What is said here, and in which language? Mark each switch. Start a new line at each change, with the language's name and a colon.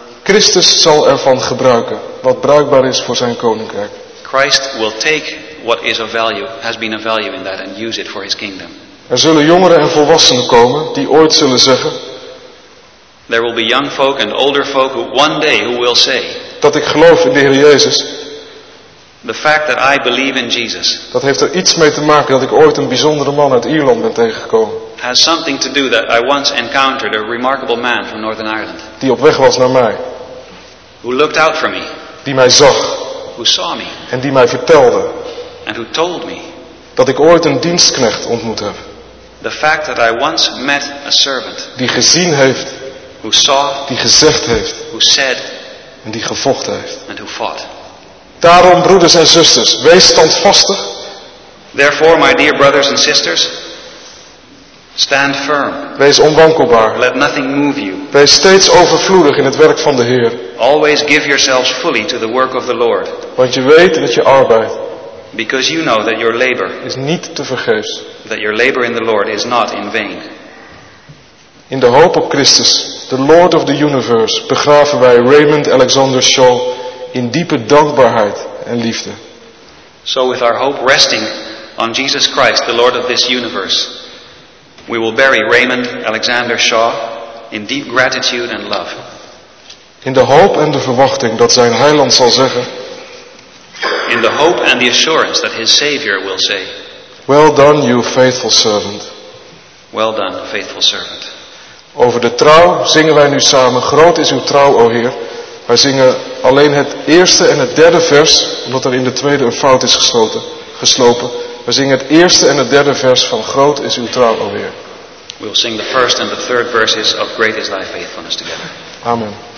Dutch: Christus zal ervan gebruiken wat bruikbaar is voor zijn koninkrijk.
English: Christ will take what is of value, has been of value in that and use it for his kingdom.
Dutch: Er zullen jongeren en volwassenen komen die ooit zullen zeggen.
English: There will be young folk and older folk who one day who will say.
Dutch: Dat ik geloof in de Heer Jezus.
English: The fact that I believe in Jesus.
Dutch: Dat heeft er iets mee te maken dat ik ooit een bijzondere man uit Ierland ben tegengekomen.
English: Has something to do that I once encountered a remarkable man from Northern Ireland.
Dutch: Die op weg was naar mij.
English: Who looked out for me.
Dutch: Die mij zag.
English: Who saw me.
Dutch: En die mij vertelde.
English: And who told me.
Dutch: Dat ik ooit een dienstknecht ontmoet heb.
English: The fact that I once met a servant.
Dutch: Die gezien heeft.
English: Who saw.
Dutch: Die gezegd heeft.
English: Who said.
Dutch: En die gevochten heeft.
English: And who fought.
Dutch: Daarom, broeders en zusters, wees standvastig.
English: Therefore, my dear brothers and sisters. Stand firm.
Dutch: Wees onwankelbaar.
English: Let nothing move you.
Dutch: Wees steeds overvloedig in het werk van de Heer.
English: Always give yourselves fully to the work of the Lord.
Dutch: Want je weet dat je arbeid.
English: Because you know that your labor.
Dutch: Is niet te vergeefs.
English: That your labor in the Lord is not in vain.
Dutch: In de hoop op Christus,
English: the Lord of the universe,
Dutch: begraven wij Raymond Alexander Shaw in diepe dankbaarheid en liefde.
English: So with our hope resting on Jesus Christ, the Lord of this universe, we will bury Raymond Alexander Shaw in deep gratitude and love.
Dutch: In de hoop en de verwachting dat zijn heiland zal zeggen.
English: In the hope and the assurance that his Savior will say. Well done, you faithful servant. Well done, faithful servant.
Dutch: Over de trouw zingen wij nu samen. Groot is uw trouw, o Heer. Wij zingen alleen het eerste en het derde vers, omdat er in de tweede een fout is geslopen. Wij zingen het eerste en het derde vers van Groot is uw trouw, o Heer.
English: We'll sing the first and the third verses of Great is thy faithfulness together. Amen.